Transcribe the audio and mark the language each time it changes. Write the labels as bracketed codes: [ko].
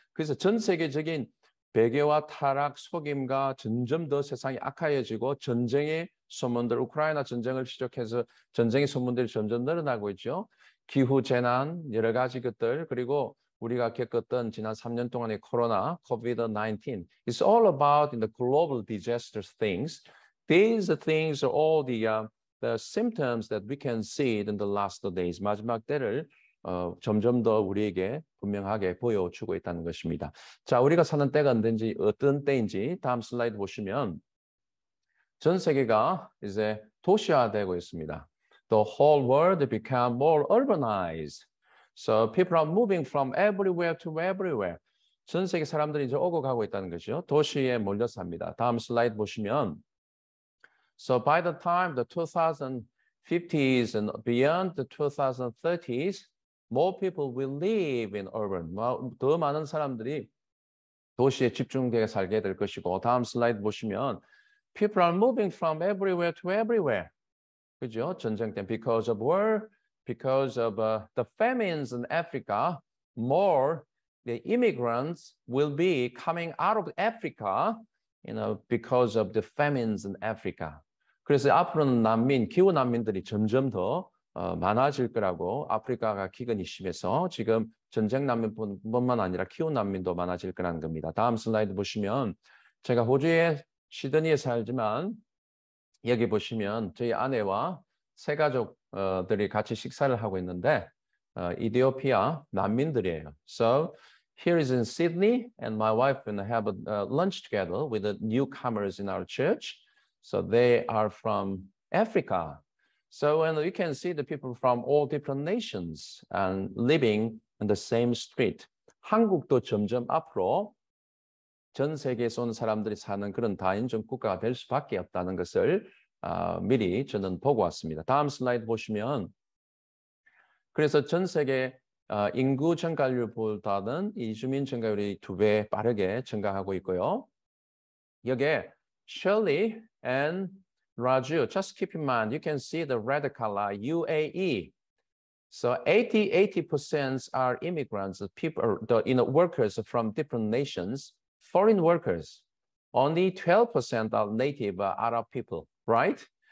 [ko] 그래서 전 세계적인 배교와 타락, 속임과 점점 더 세상이 악화해지고 전쟁의 소문들, 우크라이나 전쟁을 시작해서 전쟁의 소문들이 점점 늘어나고 있죠. 기후 재난, 여러 가지 것들, 그리고 우리가 겪었던 지난 3년 동안의 코로나, COVID-19. [en] It's all about the global disaster things. These things are all the symptoms that we can see in the last days. [ko] 마지막 때를 점점 더 우리에게 분명하게 보여주고 있다는 것입니다. 자, 우리가 사는 때가 언제인지 어떤 때인지 다음 슬라이드 보시면 전 세계가 이제 도시화되고 있습니다. [en] The whole world became more urbanized. So people are moving from everywhere to everywhere. [ko] 전 세계 사람들이 이제 오고 가고 있다는 것이죠. 도시에 몰려 삽니다. 다음 슬라이드 보시면 [en] So by the time the 2050s and beyond the 2030s, more people will live in urban. [ko] 더 많은 사람들이 도시에 집중되게 살게 될 것이고 다음 슬라이드 보시면 [en] People are moving from everywhere to everywhere. [ko] 그죠? 전쟁 때 [en] because of war, because of the famines in Africa, more the immigrants will be coming out of Africa, you know, because of the famines in Africa. [ko] 그래서 앞으로는 난민, 기후 난민들이 점점 더 많아질 거라고 아프리카가 기근이 심해서 지금 전쟁 난민뿐만 아니라 기후 난민도 많아질 거라는 겁니다. 다음 슬라이드 보시면 제가 호주에 시드니에 살지만 여기 보시면 저희 아내와 세 가족들이 같이 식사를 하고 있는데 이디오피아 난민들이에요. [en] So here is in Sydney and my wife and I have a lunch together with the newcomers in our church. So they are from Africa. So and you can see the people from all different nations and living in the same street. [ko] 한국도 점점 앞으로 전 세계에서 온 사람들이 사는 그런 다인종 국가가 될 수밖에 없다는 것을 미리 저는 보고 왔습니다. 다음 슬라이드 보시면 그래서 전 세계 인구 증가율보다는 이주민 증가율이 두 배 빠르게 증가하고 있고요. 여기에 [en] Shirley and Raju, just keep in mind, you can see the red color, UAE. So 80% are immigrants, workers from different nations. Foreign workers, only 12% are native Arab people, right?